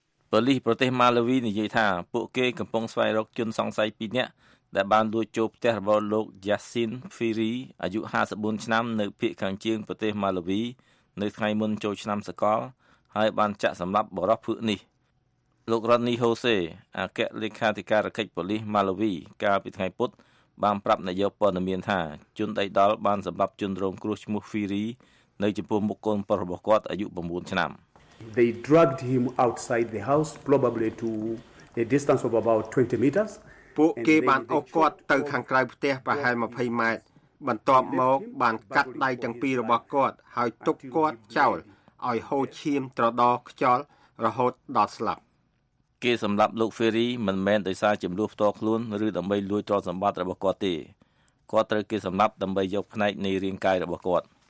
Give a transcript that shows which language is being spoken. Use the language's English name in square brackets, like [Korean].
[Khmer] ប៉ូលីសប្រទេសម៉ាឡាវីនិយាយថាពួកគេកំពុងស្វែងរកជនសង្ស័យ2នាក់ដែលបានលួចចូលផ្ទះរបស់លោកយ៉ាស៊ីនហ្វីរីអាយុ54ឆ្នាំនៅភូមិខាងជើងប្រទេសម៉ាឡាវីនៅថ្ងៃមុនចូលឆ្នាំសកលហើយបានចាក់សម្លាប់បរិសុទ្ធនេះលោករ៉ូនីហូសេអគ្គលេខាធិការកិច្ចប៉ូលីសម៉ាឡាវីកាលពីថ្ងៃពុធបានប្រាប់នាយកព័ត៌មានថាជនដីដល់បានសម្លាប់ជនរងគ្រោះឈ្មោះហ្វីរីនៅចំពោះមុខកូនប្រុសរបស់គាត់អាយុ9ឆ្នាំ [English] They dragged him outside the house probably to a distance of about 20 meters [Khmer] ពួកគេបានអស់គាត់ទៅខាងក្រៅផ្ទះប្រហែល20ម៉ែត្របន្ទាប់មកបានកាត់ដៃទាំងពីររបស់គាត់ហើយទុកគាត់ចោលឲ្យហូរឈាមត្រដរខ្យល់រហូតដល់ស្លាប់គេសម្លាប់លោកហ្វេរីមិនមែនដោយសារចំនួនផ្ទាល់ខ្លួនឬដើម្បីលួចទ្រព្យសម្បត្តិរបស់គាត់ទេគាត់ត្រូវគេសម្លាប់ដើម្បីយកផ្នែកនៃរាងកាយរបស់គាត់